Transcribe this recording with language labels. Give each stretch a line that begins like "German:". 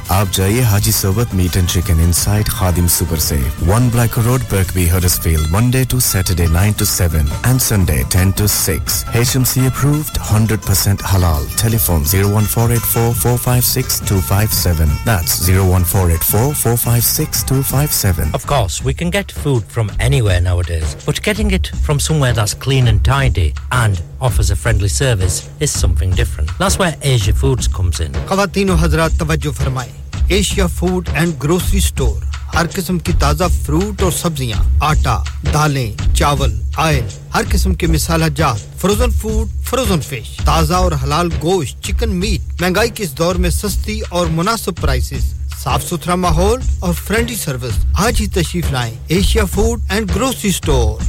Punjabi: ਆਪ ਜਾਈਏ
English: Haji Sobat meat and chicken inside Khadim super ਸੇ, 1 black road, Birkby, Huddersfield, Monday to Saturday 9 to 7 and Sunday 10 to 6, HMC approved, 100% halal, telephone 01484456257, that's 01484456257. Of course, we can get food from anywhere nowadays, but getting it from somewhere that's clean and tidy and offers a friendly service is something different. That's where Asia Foods comes in.
Urdu: Khawateen o Hazrat, tawajjuh farmaye. Asia Food and Grocery Store. ہر قسم کی تازہ fruit اور سبزیاں، آٹا، دالیں، چاول، oil, ہر قسم کے مصالحہ جات، فروزن فوڈ، فروزن فش، تازہ اور حلال گوشت، چکن میٹ، مہنگائی کے اس دور میں سستی اور مناسب پرائسز، صاف ستھرا ماحول اور فرینڈلی سروس، آج ہی تشریف لائیں Asia food and grocery store,